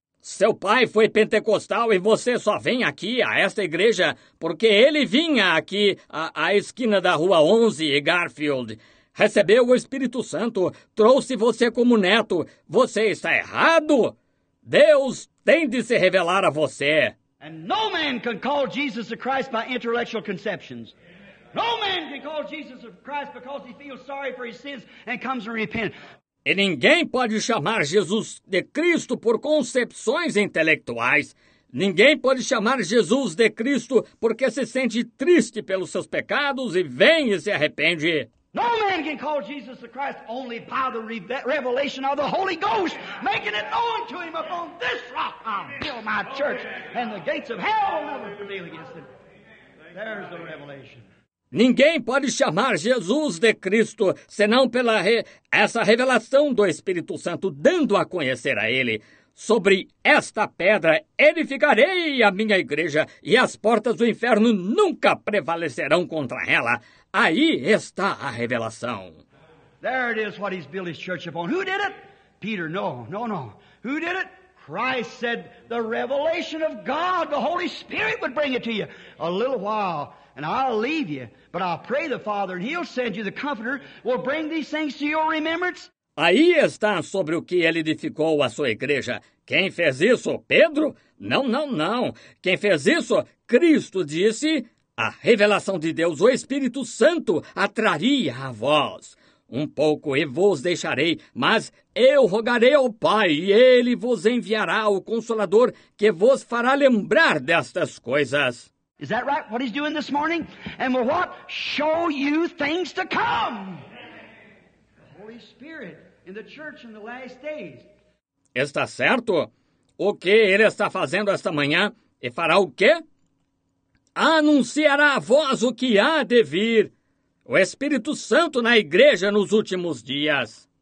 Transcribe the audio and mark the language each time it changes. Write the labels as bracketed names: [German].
[Portuguese] Seu pai foi pentecostal e você só vem aqui a esta igreja porque ele vinha aqui à esquina da rua 11 e Garfield. Recebeu o Espírito Santo, trouxe você como neto. Você está errado. Deus tem de se revelar a você. [English] And no man can call Jesus the Christ by intellectual conceptions. No man can call Jesus the Christ because he feels sorry for his sins and comes to repent. [Portuguese] E ninguém pode chamar Jesus de Cristo por concepções intelectuais. Ninguém pode chamar Jesus de Cristo porque se sente triste pelos seus pecados e vem e se arrepende. [English] No man can call Jesus the Christ only by the revelation of the Holy Ghost, making it known to him upon this rock. I'll build my church and the gates of hell will never prevail against it. There's the revelation. [Portuguese] Ninguém pode chamar Jesus de Cristo senão pela essa revelação do Espírito Santo dando a conhecer a ele. Sobre esta pedra edificarei a minha igreja e as portas do inferno nunca prevalecerão contra ela. Aí está a revelação. [English] There it is what he's built his church upon. Who did it? Peter, no, no, no. Who did it? Christ said the revelation of God, the Holy Spirit would bring it to you. A little while and I'll leave you, but I'll pray the Father and he'll send you the Comforter, will bring these things to your remembrance. [Portuguese] Aí está sobre o que ele edificou a sua igreja. Quem fez isso? Pedro? Não, não, não. Quem fez isso? Cristo disse, a revelação de Deus, o Espírito Santo, atraria a vós. Um pouco e vos deixarei, mas eu rogarei ao Pai e ele vos enviará o Consolador que vos fará lembrar destas coisas. [English] Is that right? What he's doing this morning? And will what? Show you things to come. The Holy Spirit in the church in the last days. [Portuguese] Está certo? O que ele está fazendo esta manhã? E fará o quê? Anunciará a vós o que há de vir. O Espírito Santo na igreja nos últimos dias.